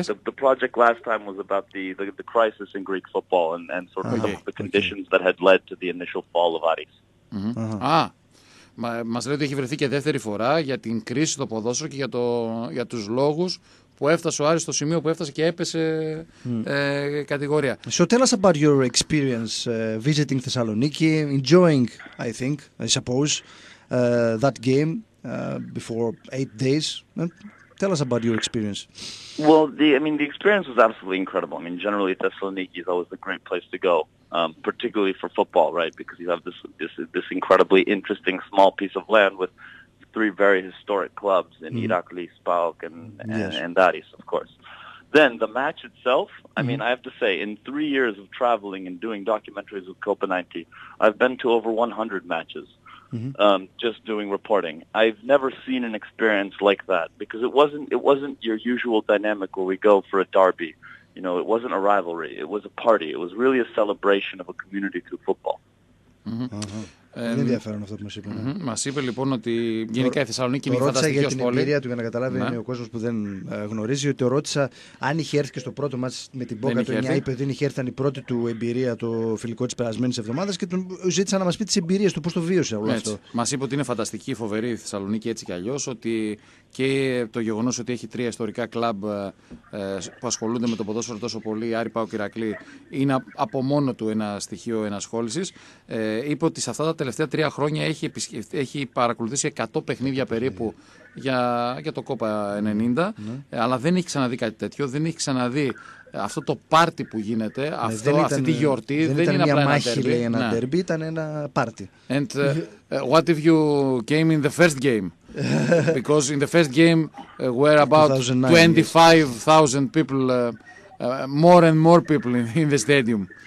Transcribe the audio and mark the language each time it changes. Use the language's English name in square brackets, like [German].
[English] The project last time was about the crisis in Greek football and sort of the conditions that had led to the initial fall of Aris. Mm-hmm. Uh-huh. [Greek] Μας λέει ότι έχει βρεθεί και δεύτερη φορά για την κρίση του ποδόσφαιρου και για τους λόγους που έφτασε ο Άρης στο σημείο που έφτασε και έπεσε κατηγορία. [English] So tell us about your experience visiting Thessaloniki, enjoying, I think, I suppose, that game before 8 days. Tell us about your experience. Well, the experience was absolutely incredible. I mean, generally Thessaloniki is always a great place to go, particularly for football, right? Because you have this incredibly interesting small piece of land with three very historic clubs in Heraklis, PAOK, and Aris, of course. Then the match itself, I mean, I have to say, in 3 years of traveling and doing documentaries with Copa 90, I've been to over 100 matches just doing reporting. I've never seen an experience like that because it wasn't your usual dynamic where we go for a derby. You know, it wasn't a rivalry. It was a party. It was really a celebration of a community through football. [Greek] Είναι ενδιαφέρον αυτό που μας είπε. Mm-hmm. Μας είπε λοιπόν ότι γενικά η Θεσσαλονίκη είναι η φανταστική ως πόλη. Ρώτησα για την εμπειρία του για να καταλάβει ο κόσμος που δεν γνωρίζει, ότι ρώτησα αν είχε έρθει και στο πρώτο μάτς με την Μπόκα το 9, είπε ότι δεν είχε έρθει, ήταν η πρώτη του εμπειρία το φιλικό της περασμένης εβδομάδας και τον ζήτησα να μας πει τις εμπειρίες του, πώς το βίωσε όλο αυτό. Μας είπε ότι είναι φανταστική, φοβερή η Θεσσαλονίκη έτσι κι αλλιώς, ότι και το γεγονός ότι έχει τρία ιστορικά κλαμπ που ασχολούνται με το ποδόσφαιρο τόσο πολύ, Άρη, ΠΑΟΚ, Ηρακλή, είναι από μόνο του ένα στοιχείο ενασχόλησης. Είπε ότι σε αυτά τα τελευταία 3 χρόνια έχει παρακολουθήσει 100 παιχνίδια περίπου για το Κόπα 90, αλλά δεν έχει ξαναδεί κάτι τέτοιο, δεν έχει ξαναδεί αυτό το πάρτι που γίνεται, αυτή τη γιορτή. Δεν ήταν μια μάχη, λέει, ένα ντερμπί, ήταν ένα πάρτι. [English] And what if you came in the first game? Because in the first game were about 25,000 people, more and more people in the stadium.